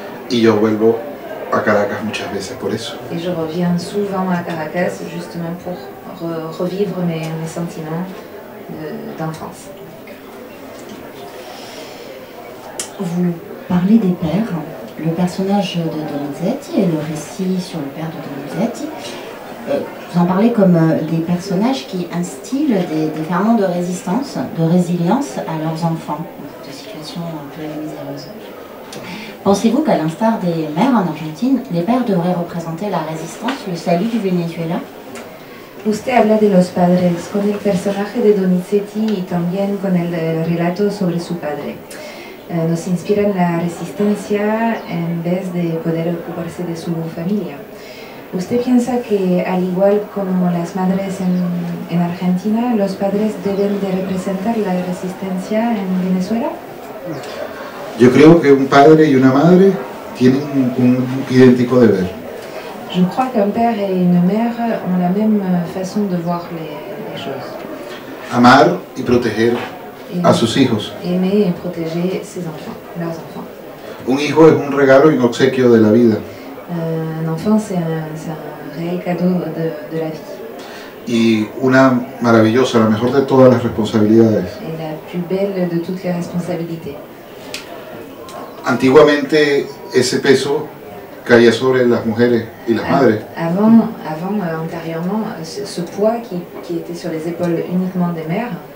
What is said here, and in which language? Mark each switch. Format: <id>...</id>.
<es>Y yo vuelvo a Caracas muchas veces por eso.</es> <fr>Et je reviens souvent à Caracas justement pour revivre mes sentiments d'enfance. Vous parlez des pères. Le personnage de Donizetti et le récit sur le père de Donizetti, vous en parlez comme des personnages qui instillent des ferments de résistance, de résilience à leurs enfants, de situations un peu miséreuses. Pensez-vous qu'à l'instar des mères en Argentine, les pères devraient représenter la résistance, le salut du Venezuela ?</fr> <es>Usted habla de los padres, con el personaje de Donizetti y también con el relato sobre su padre. Nos inspiran la resistencia en vez de poder ocuparse de su familia. ¿Usted piensa que, al igual como las madres en Argentina, los padres deben de representar la resistencia en Venezuela? Yo creo que un padre y una madre tienen un idéntico deber.</es> <fr>Je crois qu'un père et une mère ont la même façon de voir les choses.</fr> <es>Amar y proteger a sus hijos.</es> <fr>Aimer et protéger ses enfants, leurs enfants.</fr> <es>Un hijo es un regalo y un obsequio de la vida.</es> <fr>Un enfant, c'est un réel cadeau de la vie.</fr> <es>Y una maravillosa, la mejor de todas las responsabilidades.</es> <fr>Et la plus belle de toutes les responsabilités.</fr> <es>Antiguamente, ese peso caía sobre las mujeres y las madres. Anteriormente,</es> <fr>ce poids qui était sur les épaules uniquement des mères.</fr>